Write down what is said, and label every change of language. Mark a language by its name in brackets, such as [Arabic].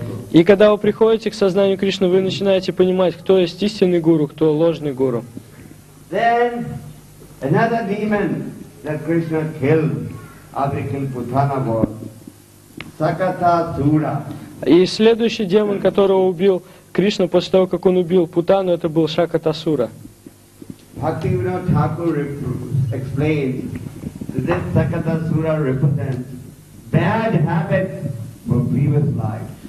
[Russian] И когда вы приходите к сознанию Кришны, вы начинаете понимать, кто есть истинный гуру, кто ложный гуру. [English] Then another demon that Krishna killed, Abhikil Putana was Sakata Sura. [Russian] И следующий демон, которого убил Кришна после того, как он убил Путану, это был Саката Сура. [English] Bhaktivinoda Thakur explained that this Sakata Sura represents bad habits from previous life.